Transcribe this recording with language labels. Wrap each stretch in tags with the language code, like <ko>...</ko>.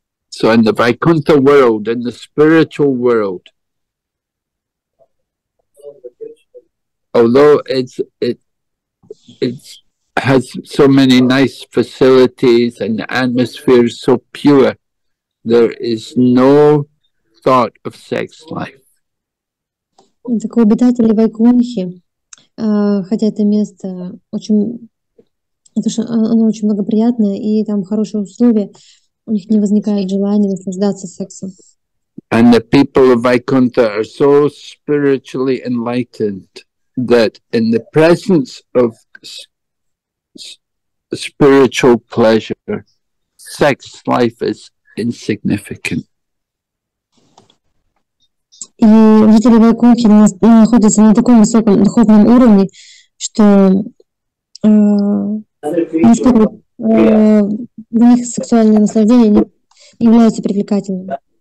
<en>So in the Vaikuntha world, in the spiritual world, although it's has so many nice facilities and the atmosphere is so pure, there is no thought of sex life.</en> <ru>Так, обитатели Вайкунхи, хотя это место оно очень благоприятное и там хорошие условия, у них не возникает желания наслаждаться сексом.</ru> <en>And the people of Vaikuntha are so spiritually enlightened that in the presence of spiritual pleasure, sex life is insignificant.</en> <ru>И жители Вайкунхи находятся на таком высоком духовном уровне, что для них сексуальное наслаждение не является привлекательным.</ru>